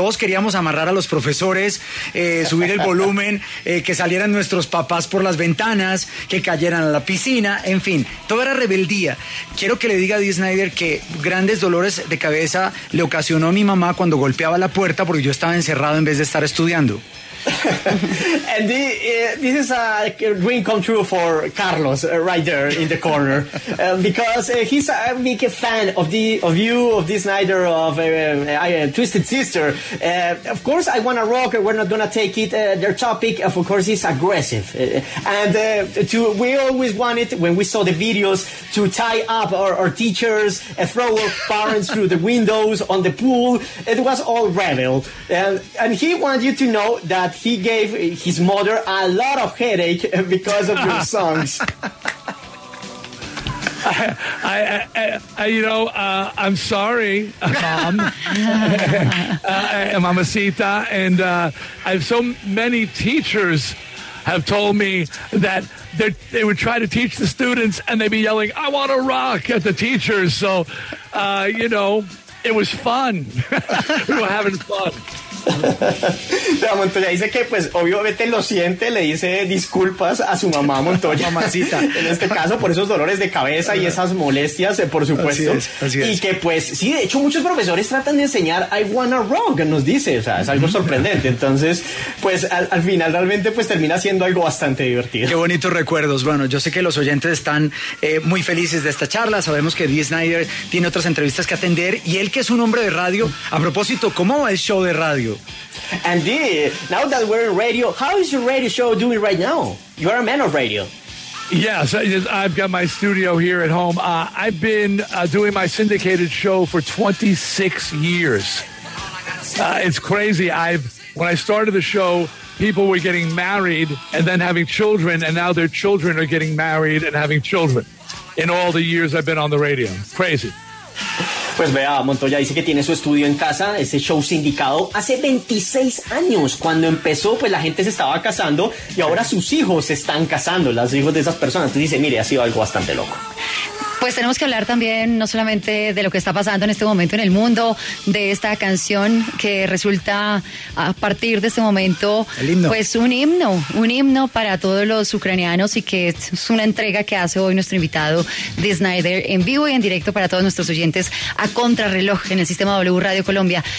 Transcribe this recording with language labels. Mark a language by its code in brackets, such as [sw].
[es] Todos queríamos amarrar a los profesores, subir el volumen, que salieran nuestros papás por las ventanas, que cayeran a la piscina, en fin, todo era rebeldía. Quiero que le diga a Dee Snider que grandes dolores de cabeza le ocasionó a mi mamá cuando golpeaba la puerta porque yo estaba encerrado en vez de estar estudiando. [en] And this is a dream come true for Carlos right there in the corner, because he's a big fan of Dee Snider, of Twisted Sister. Of course, I Wanna Rock, We're Not Gonna Take It. Their topic, of course, is aggressive. We always wanted, when we saw the videos, to tie up our teachers, throw our parents through the windows, on the pool. It was all rebel. And he wants you to know that he gave his mother a lot of headache because of your songs. I you know, I'm sorry, Mom, Mamacita, and I have so many teachers have told me that they would try to teach the students and they'd be yelling, I want to rock at the teachers. So, you know, it was fun. We were having fun. [es] La Montoya dice que pues obviamente lo siente, le dice disculpas a su mamá Montoya, mamacita, en este caso por esos dolores de cabeza y esas molestias, por supuesto. Así es, así es. Y que pues sí, de hecho muchos profesores tratan de enseñar I Wanna Rock, nos dice, o sea, es algo sorprendente. Entonces pues al final realmente pues termina siendo algo bastante divertido. Qué bonitos recuerdos. Bueno, yo sé que los oyentes están muy felices de esta charla. Sabemos que Dee Snider tiene otras entrevistas que atender, y él que es un hombre de radio. A propósito, ¿cómo va el show de radio? [en] Indeed. Now that we're in radio, how is your radio show doing right now? You are a man of radio. Yes, I've got my studio here at home. I've been doing my syndicated show for 26 years. It's crazy. When I started the show, people were getting married and then having children, and now their children are getting married and having children in all the years I've been on the radio. Crazy. [es] Pues vea, Montoya dice que tiene su estudio en casa, ese show sindicado, hace 26 años. Cuando empezó, pues la gente se estaba casando y ahora sus hijos se están casando, los hijos de esas personas. Entonces dice, mire, ha sido algo bastante loco. Pues tenemos que hablar también, no solamente de lo que está pasando en este momento en el mundo, de esta canción que resulta, a partir de este momento, pues un himno para todos los ucranianos, y que es una entrega que hace hoy nuestro invitado, Dee Snider, en vivo y en directo para todos nuestros oyentes, a contrarreloj en el sistema W Radio Colombia.